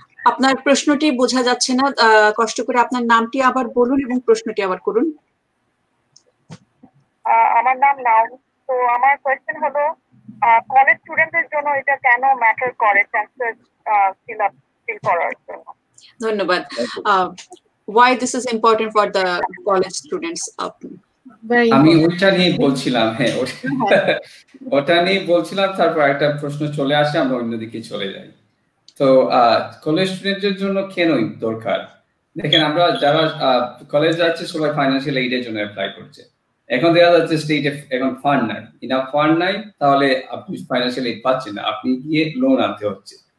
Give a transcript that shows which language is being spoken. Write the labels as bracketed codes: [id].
[bn] আপনার প্রশ্নটি বোঝা যাচ্ছে না, কষ্ট করে আপনার নামটি আবার বলুন এবং প্রশ্নটি আবার করুন। আমার নাম নাউন, তো আমার কোয়েশ্চেন হলো কলেজ স্টুডেন্টদের জন্য এটা কেন ম্যাটার করে সেন্সাস ফিল আপ ফিল করার জন্য। ধন্যবাদ। [en] Why this is important for the college students? [bn] আমি ওটা নিয়ে বলছিলাম, হ্যাঁ ওটা নিয়ে বলছিলাম, তারপর একটা প্রশ্ন চলে আসে আমরা অন্যদিকে চলে যাই। তো কলেজ স্টুডেন্টদের জন্য কেন দরকার, দেখেন আমরা যারা কলেজ যাচ্ছে সবাই ফাইন্যান্সিয়াল এইডের জন্য অ্যাপ্লাই করছে, এখন দেখা যাচ্ছে স্টেটে এখন ফান্ড নাই, ইনাফ ফান্ড নাই, তাহলে আপনি ফাইন্যান্সিয়াল এইড পাচ্ছেন না, আপনি গিয়ে লোন আনতে হচ্ছে।